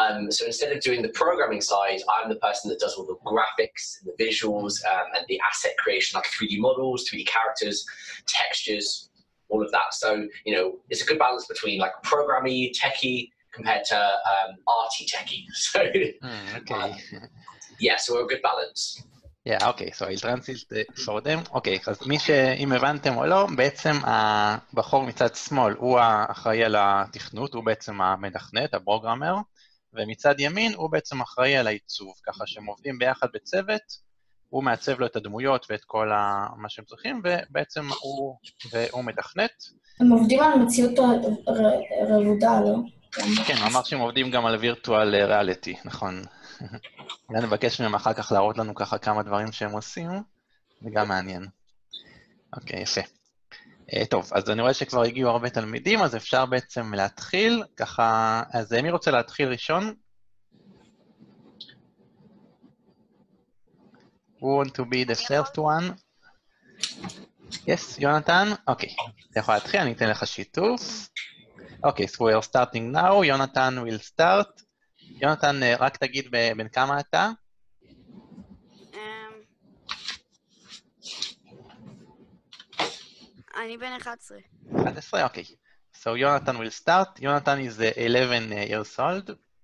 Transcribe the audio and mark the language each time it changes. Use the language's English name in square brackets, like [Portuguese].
[English] So instead of doing the programming side, I'm the person that does all the graphics, the visuals, and the asset creation, like 3D models, 3D characters, textures, all of that. So, you know, it's a good balance between like programmy, techie, compared to arty techie. So, okay. Yeah, so we're a good balance. Yeah, okay, so I'll translate for them. [Hebrew] Okay, אז מי שאם הבנתם או לא, בעצם הבחור מצד שמאל הוא האחראי על התכנות, הוא בעצם המתכנת, הפרוגרמר, ומצד ימין הוא בעצם אחראי על העיצוב, ככה שהם עובדים ביחד בצוות, הוא מעצב לו את הדמויות ואת כל מה שהם צריכים, ובעצם הוא מתכנת. הם עובדים על מציאות רבודה, לא? כן, אמר שהם עובדים גם על וירטואל ריאליטי, נכון. אני מבקש מהם אחר כך להראות לנו ככה כמה דברים שהם עושים, זה גם מעניין. אוקיי, יפה. טוב, אז אני רואה שכבר הגיעו הרבה תלמידים, אז אפשר בעצם להתחיל, ככה, אז מי רוצה להתחיל ראשון? [English] Who want to be the first one? Yes, [Hebrew] יונתן? אוקיי, אתה יכול להתחיל, אני אתן לך שיתוף. [English] אוקיי, so we are starting now, יונתן will start. [Hebrew] יונתן, רק תגיד בן כמה אתה? אני בן 11. 11, אוקיי. [English] So, יונתן will start. יונתן is 11 years old.